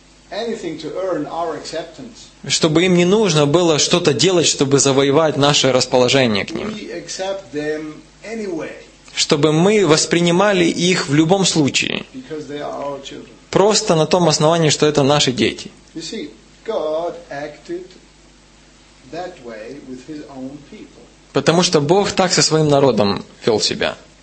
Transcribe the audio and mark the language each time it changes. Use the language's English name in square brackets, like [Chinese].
[English] Anything to earn our acceptance. [Russian] Чтобы им не нужно было что-то делать, чтобы завоевать наше расположение к ним. [English] We accept them anyway. [Russian] Чтобы мы воспринимали их в любом случае. [English] Because they are our children. [Russian] Просто на том основании, что это наши дети. [English] You see, God acted that way with his own people. [Russian] Потому что Бог так со своим народом вел себя.